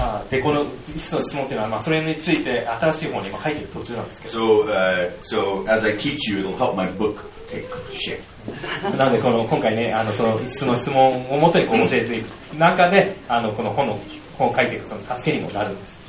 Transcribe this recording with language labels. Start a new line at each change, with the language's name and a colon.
Japanese: でこの5つの質問というのは、まあ、それについて新しい本に今書いている途中なんですけど、
English: so as I teach you, it'll help my book take shape.
Japanese: なのでこの今回、ね、あのその5つの質問をもとにこう教えていく中であのこの本の本を書いていくその助けにもなるんです。